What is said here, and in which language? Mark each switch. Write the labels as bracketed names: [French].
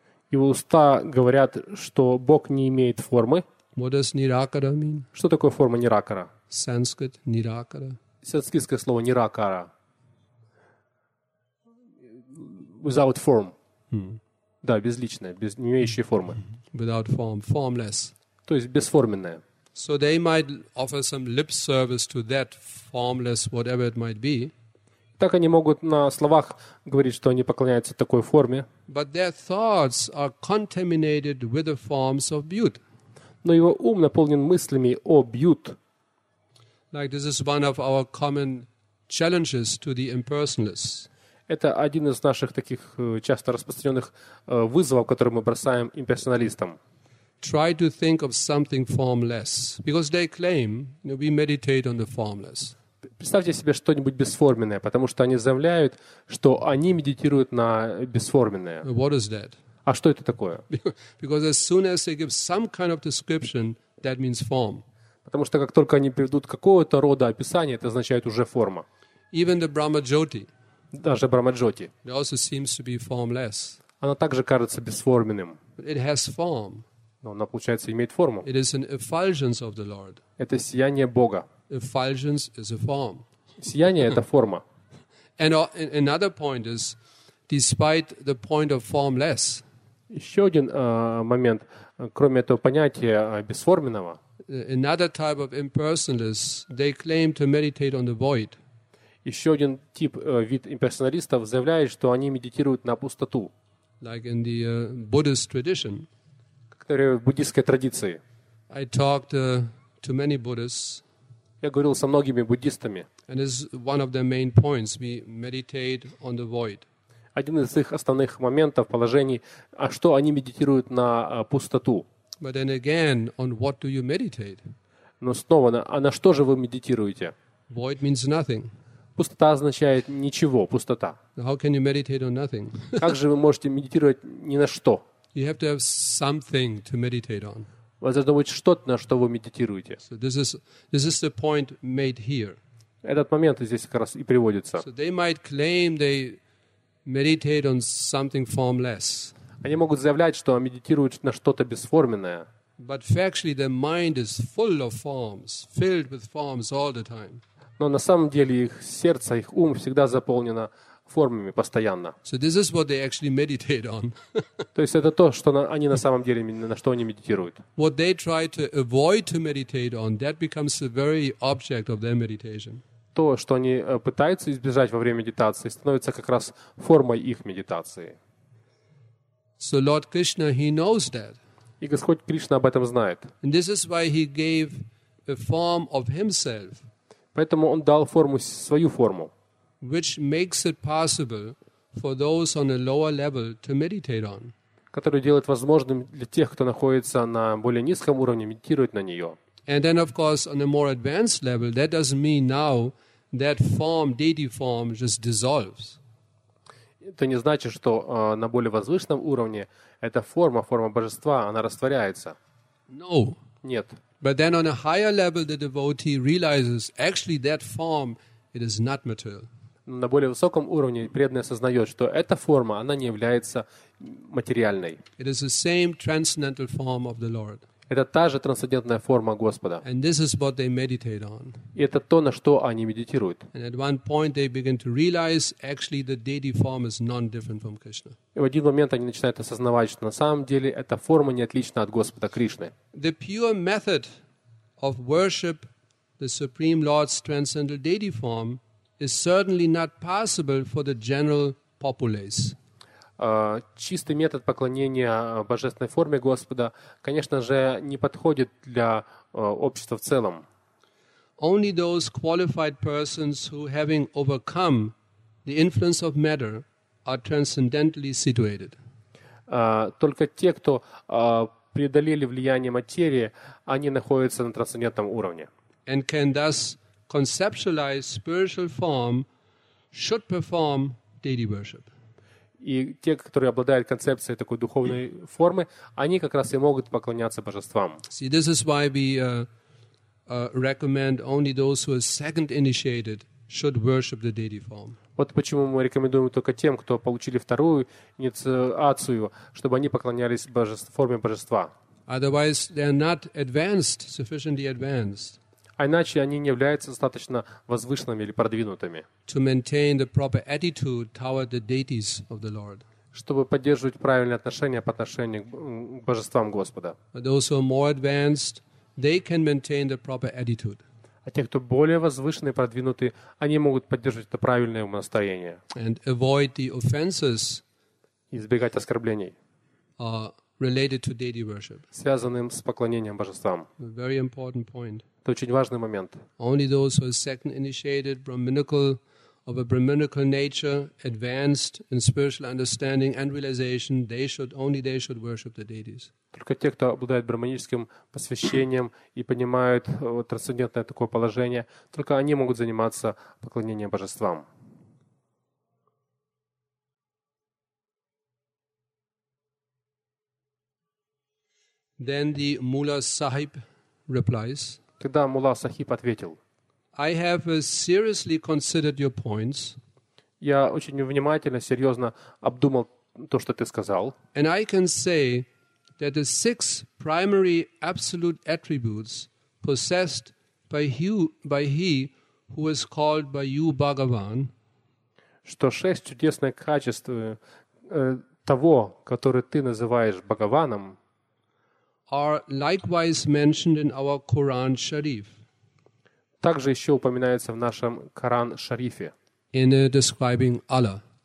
[Russian] Его уста говорят, что Бог не имеет формы. [English] What does nirakara mean? [Russian] Что такое форма nirakara? [English] Sanskrit nirakara. [Russian] Санскритское слово nirakara. [English] Without form. Mm-hmm. [Russian] Да, безличное, без, не имеющее формы. [English] Without form, formless. [Russian] То есть бесформенное. [English] So they might offer some lip service to that formless, whatever it might be. [Russian] Так они могут на словах говорить, что они поклоняются такой форме. [English] But their thoughts are contaminated with the forms of bhut. [Russian] Но его ум наполнен мыслями о бьют. [English] Like this is one of our common challenges to the impersonalists. [Russian] Это один из наших таких часто распространенных вызовов, которые мы бросаем имперсоналистам. [English] Try to think of something formless, because they claim we meditate on the formless. [Russian] Представьте себе что-нибудь бесформенное, потому что они заявляют, что они медитируют на бесформенное. [English] What is that? [Russian] А что это такое? [English] Because as soon as they give some kind of description, that means form. [Russian] Потому что как только они приведут какого-то рода описание, это означает уже форма. [English] Even the Brahma Jyoti. [Russian] Даже Брахма Джоти. [English] It also seems to be formless. [Russian] Она также кажется бесформенным. [English] It has form. [Russian] Но она, получается, имеет форму. [English] It is an effulgence of the Lord. [Russian] Это сияние Бога. [English] Effulgence is a form. [Russian] Сияние – это форма. [English] And another point is, despite the point of formless. [Russian] Еще один момент, кроме этого понятия бесформенного. [English] Another type of impersonalists, they claim to meditate on the void. [Russian] Еще один тип, вид имперсоналистов заявляет, что они медитируют на пустоту. [English] Like in the Buddhist tradition. [Russian] Которые в буддийской традиции. [English] I talked to many Buddhists. [Russian] Я говорил со многими буддистами. [English] And this is one of their main points. We meditate on the void. [Russian] Один из их основных моментов, положений, а что они медитируют на пустоту. [English] But then again, on what do you meditate? [Russian] Но снова, на что же вы медитируете? [English] Void means nothing. [Russian] Пустота означает ничего, пустота. [English] How can you meditate on nothing? [Russian] Как же вы можете медитировать ни на что? [English] You have to have something to meditate on. [Russian] У вас должно быть что-то, на что вы медитируете. [English] So this is the point made here. [Russian] Этот момент здесь как раз и приводится. [English] So they might claim they meditate on something formless. [Russian] Они могут заявлять, что медитируют на что-то бесформенное. [English] But factually their mind is full of forms, filled with forms all the time. [Russian] Но на самом деле их сердце, их ум всегда заполнено формами постоянно. [English] So this is what they actually meditate on. [Russian] То есть это то, что они на самом деле, на что они медитируют. [English] What they try to avoid to meditate on, that becomes the very object of their meditation. [Russian] То, что они пытаются избежать во время медитации, становится как раз формой их медитации. [English] So Lord Krishna, he knows that. [Russian] И Господь Кришна об этом знает. [English] And this is why he gave a form of himself. [Russian] Поэтому он дал форму, свою форму. [English] Which makes it possible for those on a lower level to meditate on. [Russian] Который делает возможным для тех, кто находится на более низком уровне, медитировать на нее. [English] And then, of course, on a more advanced level, that doesn't mean now that form, deity form, just dissolves. [Russian] Это не значит, что на более возвышенном уровне эта форма, форма божества, она растворяется. [English] No. [Russian] Нет. [English] But then on a higher level, the devotee realizes actually that form, it is not material. [Russian] На более высоком уровне преданный осознает, что эта форма, она не является материальной. [English] It is the same transcendental form of the Lord. [Russian] Это та же трансцендентная форма Господа. [English] And this is what they meditate on. [Russian] И это то, на что они медитируют. [English] And at one point they begin to realize actually the deity form is non-different from Krishna. [Russian] И в один момент они начинают осознавать, что на самом деле эта форма не отлична от Господа Кришны. [English] The pure method of worship the Supreme Lord's transcendental deity form is certainly not possible for the general populace. [Russian] Чистый метод поклонения божественной форме Господа, конечно же, не подходит для общества в целом. [English] Only those qualified persons who, having overcome the influence of matter, are transcendentally situated. [Russian] Только те, кто преодолели влияние материи, они находятся на трансцендентном уровне. [English] And can thus conceptualize spiritual form, should perform deity worship. [Russian] И те, которые обладают концепцией такой духовной формы, они как раз и могут поклоняться божествам. [English] See, this is why we recommend only those who are second initiated should worship the deity form. [Russian] Вот почему мы рекомендуем только тем, кто получили вторую инициацию, чтобы они поклонялись форме божества. [English] Otherwise, they are not advanced, sufficiently advanced. [Russian] А иначе они не являются достаточно возвышенными или продвинутыми. [English] To maintain the proper attitude toward the deities of the Lord. [Russian] Чтобы поддерживать правильное отношение по отношению к божествам Господа. [English] But those who are more advanced, they can maintain the proper attitude. [Russian] А те, кто более возвышенные, продвинутые, они могут поддерживать это правильное умонастроение. [English] And avoid the offenses. [Russian] Избегать оскорблений. [English] Related to deity worship. [Russian] Связанным с поклонением божествам. [English] A very important point. [Russian] Это очень важный момент. [English] Only those who are second initiated, brahminical, of a brahminical nature, advanced in spiritual understanding and realization, they should worship the deities. [Russian] Только те, кто обладает брахманическим посвящением и понимают трансцендентное такое положение, только они могут заниматься поклонением божествам. [English] Then the Mullah Sahib replies, [Russian] Тогда Мулла Сахиб ответил, [English] I have seriously considered your points. [Russian] Я очень внимательно, серьезно обдумал то, что ты сказал. [English] And I can say that the six primary absolute attributes possessed by he who is called by you Bhagavan, [Russian] что шесть чудесных качеств того, который ты называешь Бхагаваном, are likewise mentioned in our Quran Sharif. Также еще упоминается в нашем Коран Шарифе. [English] In describing Allah.